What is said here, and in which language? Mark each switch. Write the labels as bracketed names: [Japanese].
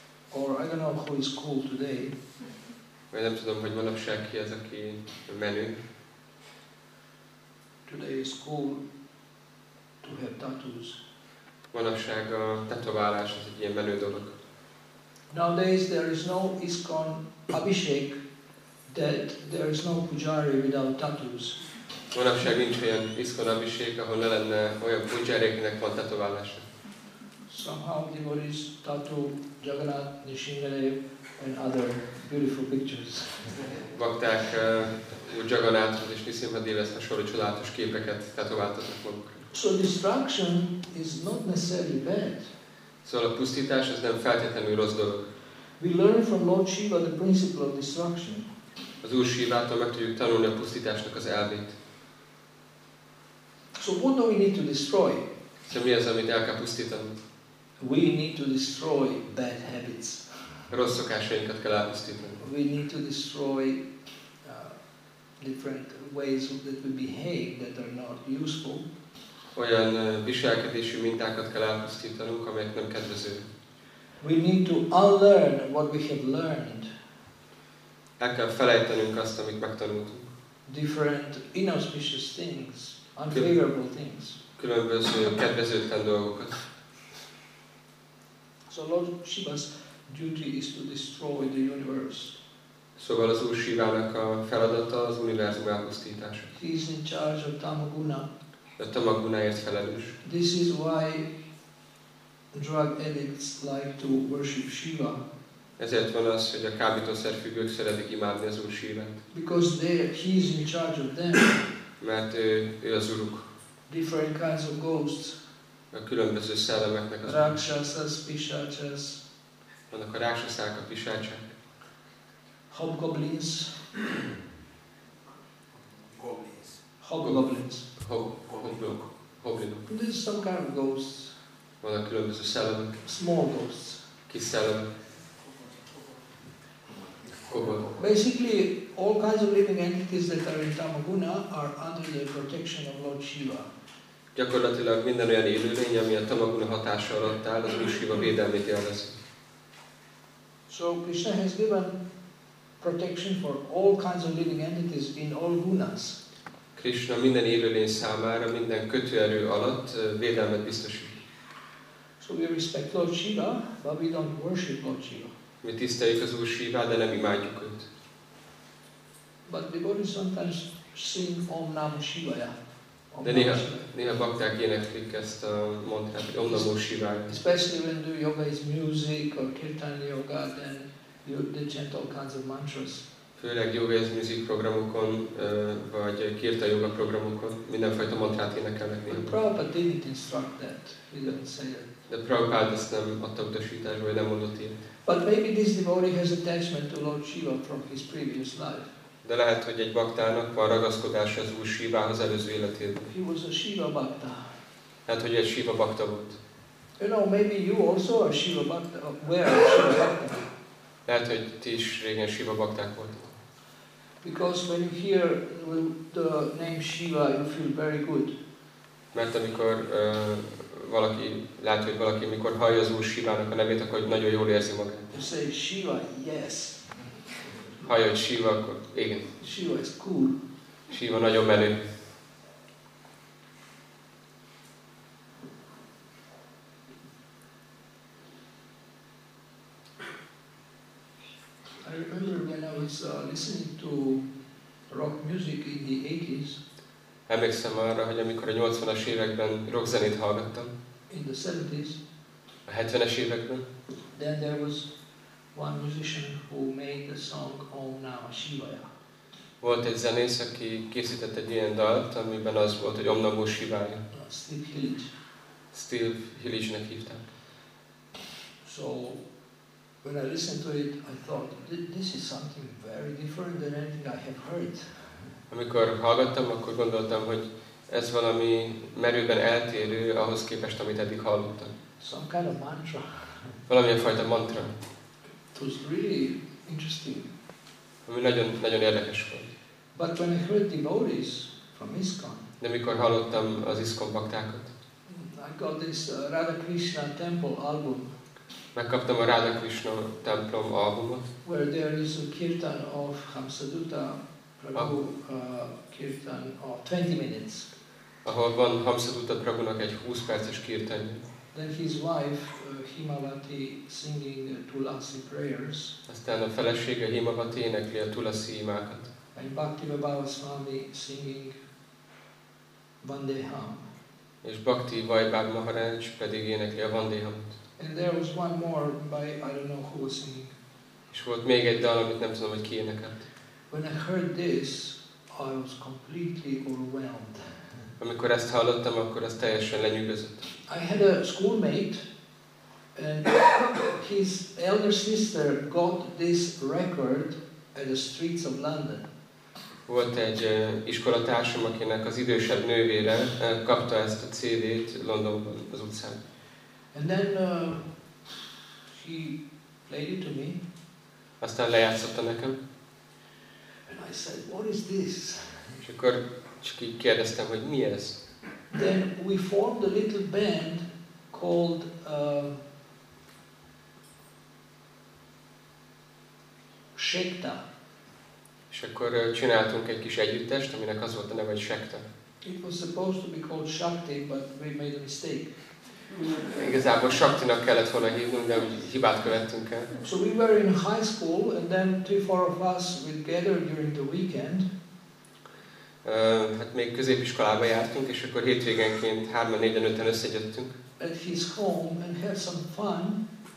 [English] Or I don't know who is cool today. [Hungarian] Vagy nem tudom, hogy manapság ki az, aki menő. [English] Today is cool to have tattoos. [Hungarian] Manapság a tetoválás az egy ilyen menő dolog. [English] Nowadays there is no ISKCON Abhishek that there is no pujari without tattoos. [Hungarian] Manapság nincs olyan ISKCON Abhishek, ahol ne lenne olyan pujari, akinek van tetoválása. [English] Somehow devotees tattoo Jagannath, Nrisimhadev and other beautiful pictures. [Hungarian] Bakták úgy Jagannathot és Nrisimhadevet hasonló csodálatos képeket tetováltatnak magukra. [English] So destruction is not necessarily bad. [Hungarian] Szóval a pusztítás az nem feltétlenül rossz dolog. [English] We learn from Lord Shiva the principle of destruction. [Hungarian] Az Úr Sivától meg tudjuk tanulni a pusztításnak az elvét. [English] So what do we need to destroy? [Hungarian] Szóval mi az, amit el kell pusztítani? [English] We need to destroy bad habits. [Hungarian] Rossz szokásainkat kell elpusztítani. [English] We need to destroy different ways that we behave that are not useful. [Hungarian] Olyan viselkedési mintákat kell elpusztítanunk, amelyek nem kedvező. [English] We need to unlearn what we have learned. [Hungarian] El kell felejtenünk azt, amit megtanultunk. [English] Different inauspicious things, unfavorable things. [Hungarian] Különböző kedvezőtlen dolgokat. [English] So Lord Shiva's duty is to destroy the universe. [Hungarian] Szóval az Úr Sivának a feladata az univerzum elpusztítása. [English] He is in charge of Tamaguna. [Hungarian] A tamagunáért felelős. [English] This is why drug addicts like to worship Shiva. [Hungarian] Ezért van az, hogy a kábítószerfüggők szeretik imádni az Úr Sivát. [English] Because he is in charge of them. [Hungarian] Mert ő az uruk. [English] Different kinds of ghosts. [Hungarian] A különböző szellemeknek az [English] Rakshasas, pisácsas. [Hungarian] Vannak a rakshasák, a pisácsák. [English] Hobgoblins. Goblins. Hobgoblins. [Hungarian] Hobgoblinok. [English] This is some kind of ghosts. [Hungarian] Vannak különböző szellemek. [English] Small ghosts. [Hungarian] Kis szellemek. [English] Basically, all kinds of living entities that are in Tamaguna are under the protection of Lord Shiva. [Hungarian] Gyakorlatilag minden olyan élőlény, ami a Tamaguna hatása alatt áll, az Úr Shiva védelmét élvez. [English] So Krishna has given protection for all kinds of living entities in all gunas. [Hungarian] Krishna minden élőlény számára, minden kötőerő alatt védelmet biztosít. [English] So we respect Lord Shiva, but we don't worship Lord Shiva. [Hungarian] Mi tiszteljük az Úr Shivát, de nem imádjuk őt. [English] But devotees sometimes sing Om Namo Shivaya. [Hungarian] De néha bakták éneklik ezt a mantrát, hogy Om Namo Shivaya. [English] Especially when do yoga is music or kirtan yoga, then you chant all kinds of mantras. [Hungarian] Főleg yoga is music programokon, vagy kirta yoga programokon mindenfajta mantrát énekelnek néha. [English] Prabhupada didn't instruct that, he didn't say it. [Hungarian] De Prabhupada ezt nem adta utasításba, vagy nem mondott ilyet. [English] But maybe this devotee has attachment to Lord Shiva from his previous life. [Hungarian] De lehet, hogy egy baktának van ragaszkodása az Úr Shivához előző életében. [English] He was a Shiva bakta. [Hungarian] Lehet, hogy egy Shiva bakta volt. [English] You know, maybe you also are Shiva bakta. Where are Shiva bakta? [Hungarian] Lehet, hogy ti is régen Shiva bakták voltak. [English] Because when you hear the name Shiva, you feel very good. [Hungarian] Mert amikor valaki, lehet, hogy valaki, amikor hallja az Úr Shivának a nevét, akkor nagyon jól érzi magát. [English] You say Shiva, yes. [Hungarian] Hallja, hogy Shiva, akkor igen. [English] Shiva is cool. [Hungarian] Shiva nagyon menő. [English] I remember when I was listening to rock music in the 80s. [Hungarian] Emlékszem arra, hogy amikor a 80-as években rock zenét hallgattam. [English] In the 70s. [Hungarian] A 70-es években. [English] Then there was one musician who made the song Om Namah Shivaya. [Hungarian] Volt egy zenész, aki készített egy ilyen dalt, amiben az volt, hogy Om Namah Shivaya. [English] Steve Hillage. [Hungarian] Steve Hillage-nek hívták. [English] So when I listened to it, I thought this is something very different than anything I have heard. [Hungarian] Amikor hallgattam, akkor gondoltam, hogy ez valami merőben eltérő ahhoz képest, amit eddig hallottam. [English] Some kind of mantra. [Hungarian] Valamilyen fajta mantra. [English] It was really interesting. [Hungarian] Ami nagyon, nagyon érdekes volt. [English] But when I heard devotees from ISKCON. [Hungarian] De mikor hallottam az ISKCON baktákat. [English] I got this Radha Krishna temple album. [Hungarian] Megkaptam a Radha Krishna templom albumot. [English] Where there is a kirtan of Hamsadutta. Prabhu kirtan of 20 minutes. [Hungarian] Ahol van Hamsadutta Prabhunak egy 20 perces kirtanja. [English] Then his wife Himavati singing Tulasi prayers. [Hungarian] Aztán a felesége Himavati énekli a Tulasi imákat. [English] And Bhaktivedanta Swami singing Vandeham. [Hungarian] És Bhakti Vaibhav Maharaj pedig énekli a Vandehamot. [English] And there was one more by I don't know who was singing. [Hungarian] És volt még egy dal, amit nem tudom, hogy ki énekelt. [English] When I heard this, I was completely overwhelmed. [Hungarian] Amikor ezt hallottam, akkor ez teljesen lenyűgözött. [English] I had a schoolmate, and his elder sister got this record at the streets of London. [Hungarian] Volt egy iskolatársam, akinek az idősebb nővére kapta ezt a CD-t Londonban az utcán. [English] And then he played it to me. [Hungarian] Aztán lejátszotta nekem. [English] I said, what is this? [Hungarian] És akkor csak így kérdeztem, hogy mi ez? [English] Then we formed a little band called Shekta. [Hungarian] És akkor csináltunk egy kis együttest, aminek az volt a neve, hogy Shekta. [English] It was supposed to be called Shakti, but we made a mistake. [Hungarian] Igazából Shaktinak kellett volna hívnunk, de hibát követtünk el. [English] So we were in high school, and then three, four of us would gather during the weekend. [Hungarian] Hát még középiskolába jártunk, és akkor hétvégenként 3-4-5-en összegyöttünk. [English] At his home and have some fun.